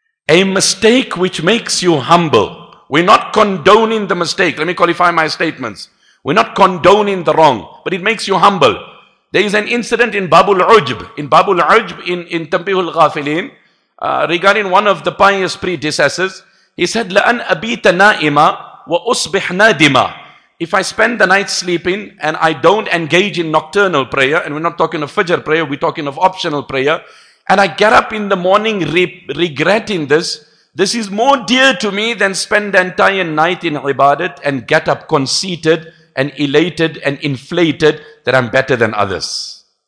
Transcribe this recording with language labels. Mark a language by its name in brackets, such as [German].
[English] A mistake which makes you humble. We're not condoning the mistake. Let me qualify my statements. We're not condoning the wrong, but it makes you humble. There is an incident in Babul Ujb in Tanbihul Ghafilin, regarding one of the pious predecessors. He said, [Arabic] لَأَنْ أَبِيتَ نَائِمَا وَأُصْبِحْ نَادِمَا. [English] If I spend the night sleeping and I don't engage in nocturnal prayer, and we're not talking of Fajr prayer, we're talking of optional prayer, and I get up in the morning regretting this, this is more dear to me than spend the entire night in ibadat and get up conceited and elated and inflated that I'm better than others.